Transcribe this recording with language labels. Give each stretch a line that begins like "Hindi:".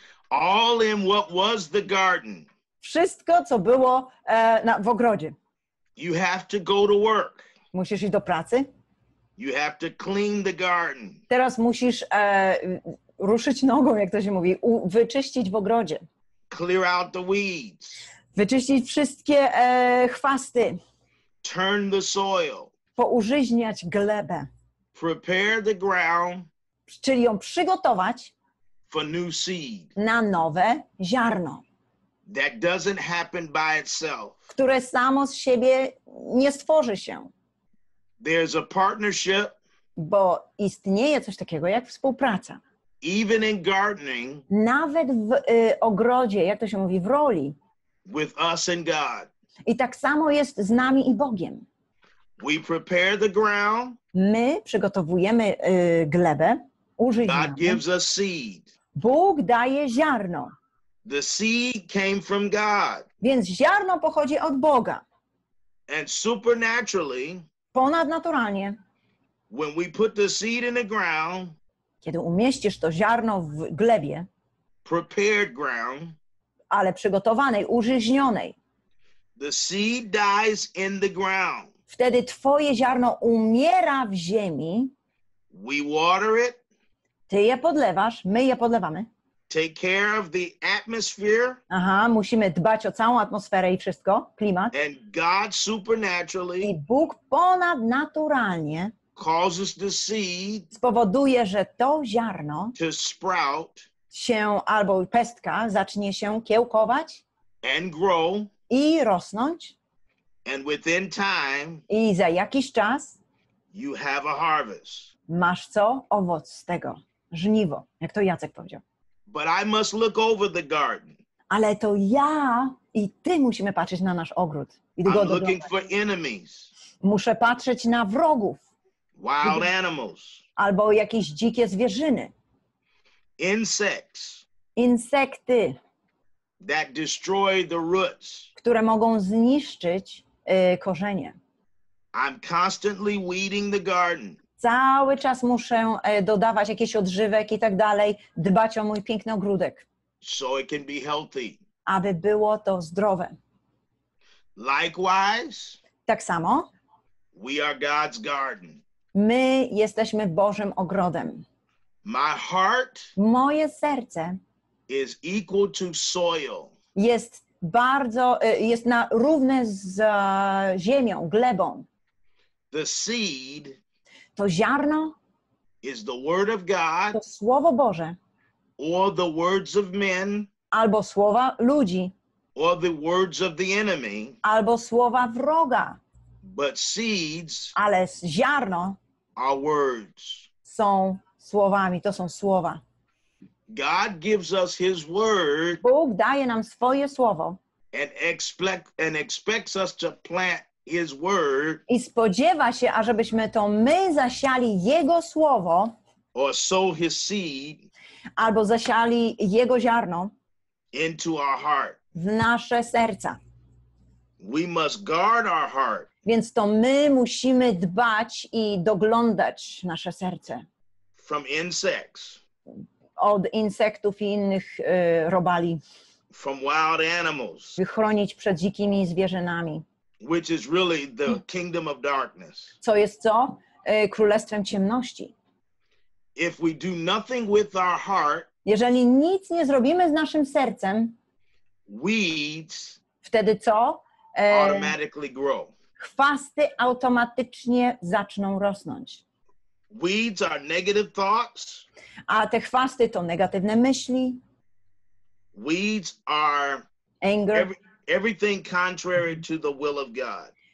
English: All in what was the garden.
Polish: Wszystko, co było w ogrodzie.
English: You have to go to work.
Polish: Musisz iść do pracy.
English: You have to clean the garden.
Polish: Teraz musisz ruszyć nogą, jak to się mówi, wyczyścić w ogrodzie.
English: Clear out the weeds.
Polish: Wyczyścić wszystkie chwasty.
English: Turn the soil.
Polish: Poużyźniać glebę.
English: Prepare the ground.
Polish: Czyli ją przygotować.
English: For new seed.
Polish: Na nowe ziarno.
English: That doesn't happen by itself.
Polish: Które samo z siebie nie stworzy się.
English: There's a partnership.
Polish: Bo istnieje coś takiego jak współpraca.
English: Even in gardening.
Polish: Nawet w ogrodzie, jak to się mówi, w roli.
English: With us and God.
Polish: I tak samo jest z nami i Bogiem.
English: We prepare the ground.
Polish: My przygotowujemy glebę.
English: God nam. Gives us seed.
Polish: Bóg daje ziarno.
English: The seed came from God.
Polish: Więc ziarno pochodzi od Boga.
English: And supernaturally.
Polish: Ponadnaturalnie.
English: When we put the seed in the ground.
Polish: Kiedy umieścisz to ziarno w glebie.
English: Prepared ground.
Polish: Ale przygotowanej, użyźnionej.
English: The seed dies in the ground.
Polish: Wtedy twoje ziarno umiera w ziemi.
English: We water it.
Polish: Ty je podlewasz, my je podlewamy.
English: Take care of the atmosphere.
Polish: Aha, musimy dbać o całą atmosferę i wszystko, klimat.
English: And God supernaturally.
Polish: I Bóg ponadnaturalnie.
English: Causes the seed.
Polish: Spowoduje, że to ziarno.
English: To sprout.
Polish: Się albo pestka zacznie się kiełkować
English: and grow,
Polish: i rosnąć
English: and within time,
Polish: i za jakiś czas
English: you have a harvest.
Polish: Masz co? Owoc z tego. Żniwo, jak to Jacek powiedział.
English: But I must look over the garden.
Polish: Ale to ja i ty musimy patrzeć na nasz ogród.
English: I I'm looking for enemies.
Polish: Muszę patrzeć na wrogów.
English: Wild animals.
Polish: Albo jakieś dzikie zwierzyny.
English: Insects.
Polish: Insekty.
English: That destroy the roots.
Polish: Które mogą zniszczyć korzenie.
English: I'm constantly weeding the garden.
Polish: Cały czas muszę dodawać jakiś odżywek i tak dalej, dbać o mój piękny ogródek.
English: So it can be healthy.
Polish: Aby było to zdrowe.
English: Likewise.
Polish: Tak samo.
English: We are God's garden.
Polish: My jesteśmy Bożym ogrodem.
English: My heart,
Polish: moje serce,
English: is equal to soil.
Polish: Jest bardzo, jest na równe z ziemią, glebą.
English: The seed,
Polish: to ziarno,
English: is the word of God,
Polish: to słowo Boże,
English: or the words of men,
Polish: albo słowa ludzi,
English: or the words of the enemy,
Polish: albo słowa wroga.
English: But seeds,
Polish: ale ziarno,
English: are words,
Polish: są słowami, to są słowa.
English: God gives us his word.
Polish: Bóg daje nam swoje słowo.
English: And expects us to plant his word.
Polish: I spodziewa się, ażebyśmy to my zasiali jego słowo.
English: Or sow his seed.
Polish: Albo zasiali jego ziarno.
English: Into our heart.
Polish: W nasze serca.
English: We must guard our heart.
Polish: Więc to my musimy dbać i doglądać nasze serce.
English: From insects.
Polish: Od insektów i innych robali.
English: From wild animals.
Polish: Wychronić przed dzikimi zwierzynami.
English: Which is really the kingdom of darkness.
Polish: Co jest co? Królestwem ciemności.
English: If we do nothing with our heart,
Polish: jeżeli nic nie zrobimy z naszym sercem,
English: weeds
Polish: wtedy co?
English: Automatically grow.
Polish: Chwasty automatycznie zaczną rosnąć.
English: Weeds are negative thoughts.
Polish: A te chwasty to negatywne myśli.
English: Weeds are anger. Everything contrary to the will of God.